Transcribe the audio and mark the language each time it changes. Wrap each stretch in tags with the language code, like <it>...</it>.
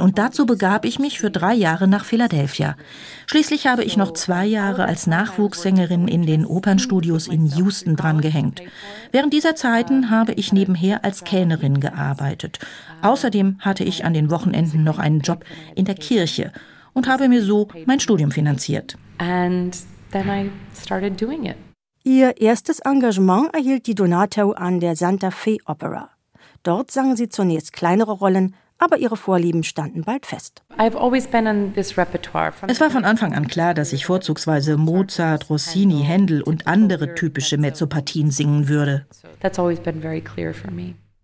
<de>Und dazu begab ich mich für 3 Jahre nach Philadelphia. Schließlich habe ich noch 2 Jahre als Nachwuchssängerin in den Opernstudios in Houston drangehängt. Während dieser Zeiten habe ich nebenher als Kellnerin gearbeitet. Außerdem hatte ich an den Wochenenden noch einen Job in der Kirche und habe mir so mein Studium finanziert.</de> <en>And then I started doing it.</en> <de>Ihr erstes Engagement erhielt die DiDonato an der Santa Fe Opera. Dort sang sie zunächst kleinere Rollen, aber ihre Vorlieben standen bald fest.</de> <en>I've always been in this repertoire.</en> <de>Es war von Anfang an klar, dass ich vorzugsweise Mozart, Rossini, Händel und andere typische Mezzopartien singen würde.</de> <en>That's always been very clear for me.</en>